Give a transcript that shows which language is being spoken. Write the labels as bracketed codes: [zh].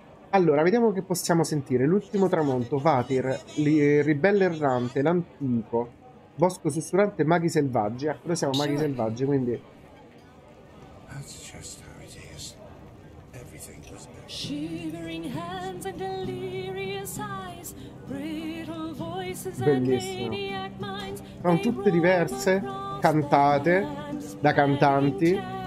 [it] Allora, vediamo che possiamo sentire. L'ultimo tramonto, Vatir, il ribelle errante, l'antico, Bosco sussurrante, maghi selvaggi. Ecco, noi siamo maghi selvaggi, quindi. [en] Shivering hands and delirious eyes, brittle voices and maniac minds. [it] Sono tutte diverse, cantate da cantanti.